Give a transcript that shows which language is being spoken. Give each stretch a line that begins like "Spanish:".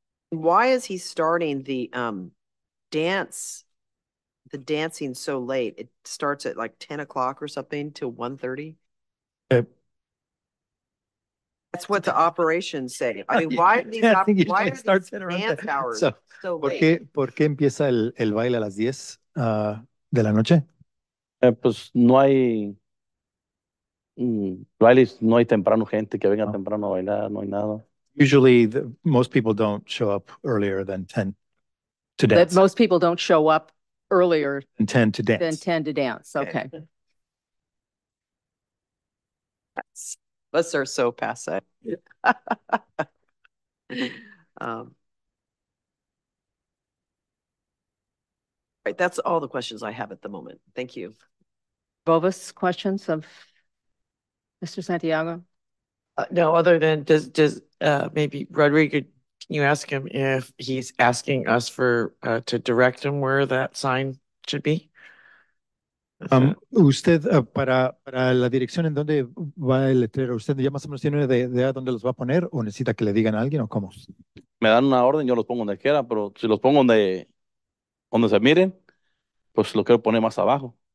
English: Why is he starting the dancing so late? It starts at like 10 o'clock or something till 1:30. That's what the operations say. I mean, why are these dance hours so late?
Spanish: ¿Por qué empieza el baile a las 10 de la noche? Pues no hay bailes, no hay temprano gente que venga temprano a bailar, no hay nada.
English: Usually, most people don't show up earlier than 10 to dance. That most people don't show up earlier than 10 to dance. Than 10 to dance, okay. Us are so passe. Yeah. Right, that's all the questions I have at the moment. Thank you. Bovis, questions of Mr. Santiago? No, other than does maybe Rodrigo, can you ask him if he's asking us for to direct him where that sign should be?
Spanish: Usted para la dirección en donde va el letrero, ¿usted ya más o menos tiene una idea dónde los va a poner o necesita que le digan a alguien o cómo? Me dan una orden, yo los pongo donde quiera, pero si los pongo donde se miren, pues lo quiero poner más abajo.